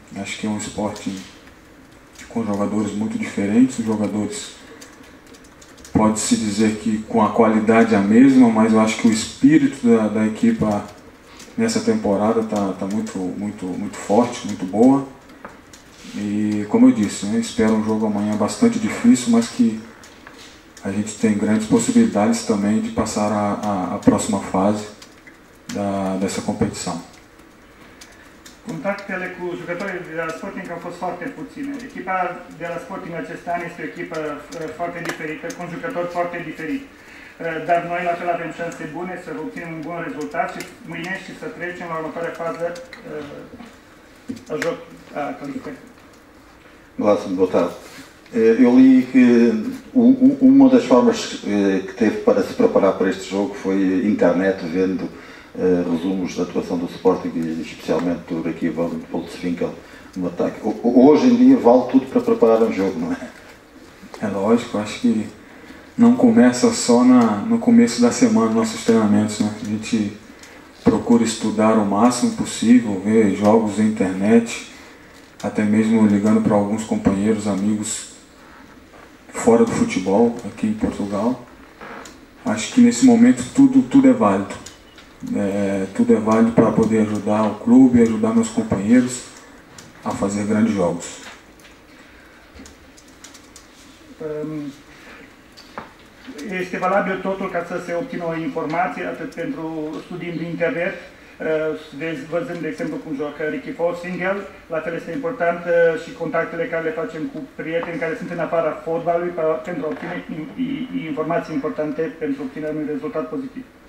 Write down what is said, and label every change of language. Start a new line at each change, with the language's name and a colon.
Portuguese: Acho que é um esporte com jogadores muito diferentes, jogadores, pode-se dizer que com a qualidade é a mesma, mas eu acho que o espírito da equipa nessa temporada tá muito, muito, muito forte, muito boa. E como eu disse, né, espero um jogo amanhã bastante difícil, mas que a gente tem grandes possibilidades também de passar a próxima fase dessa competição.
Romanian: Contactele cu jucătorii de la Sporting au fost foarte puține. Echipa de la Sporting acest an este o echipă foarte diferită, cu un jucător foarte diferit. dar noi la fel avem șanse bune să obținem un bun rezultat și mâine și să trecem la următoarea fază a joc a calificării.
Portuguese: Glasson, boa tarde. Eu li que uma das formas que teve para se preparar para este jogo foi internet, vendo resumos da atuação do Sporting, especialmente do Ricky Van Poltzwinkel, no ataque. Hoje em dia vale tudo para preparar um jogo, não é? É lógico, acho que não começa só no começo da semana nossos treinamentos, né? A gente procura estudar o máximo possível, ver jogos na internet, até mesmo ligando para alguns companheiros, amigos fora do futebol, aqui em Portugal. Acho que nesse momento tudo é válido. Tudo é válido para poder ajudar o clube, ajudar meus companheiros a fazer grandes jogos.
Romanian: Este valabil totul ca să se obțină o informație, atât pentru studii din internet, văzând, de exemplu, cum joacă Ricky Forsingel. La fel este important și contactele care le facem cu prieteni care sunt în afara fotbalului pentru a obține informații importante pentru obținerea unui rezultat pozitiv.